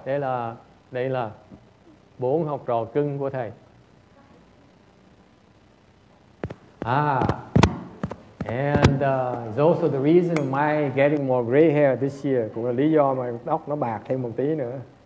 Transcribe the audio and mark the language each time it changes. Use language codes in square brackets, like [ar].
[vi] Đây là bốn học trò cưng của thầy. [en] It's also the reason of my getting more gray hair this year. [vi] Cũng là lý do mà tóc nó bạc thêm một tí nữa.